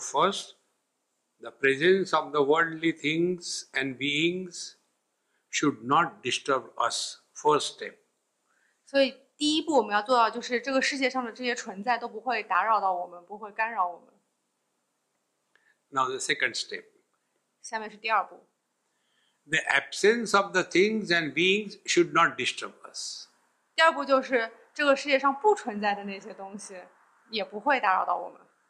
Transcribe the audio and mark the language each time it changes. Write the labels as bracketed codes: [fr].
[en] first, the presence of the worldly things and beings should not disturb us. First step. [zh] 所以第一步我们要做到就是这个世界上的这些存在都不会打扰到我们，不会干扰我们。 [en] Now the second step. [zh] 下面是第二步。 [en] The absence of the things and beings should not disturb us. [zh] 第二步就是这个世界上不存在的那些东西也不会打扰到我们。